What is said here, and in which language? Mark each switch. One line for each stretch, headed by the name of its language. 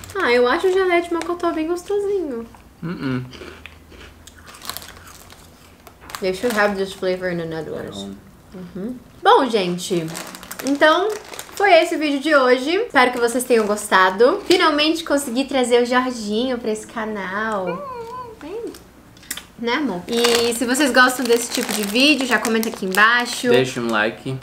Portuguese: Ah, eu acho geleia de mocotó bem gostosinho.
English: They should have this flavor in another one.
Portuguese: Bom, gente, então foi esse o vídeo de hoje. Espero que vocês tenham gostado. Finalmente consegui trazer o Jorginho pra esse canal. Né, amor? E se vocês gostam desse tipo de vídeo, já comenta aqui embaixo. Deixa um like.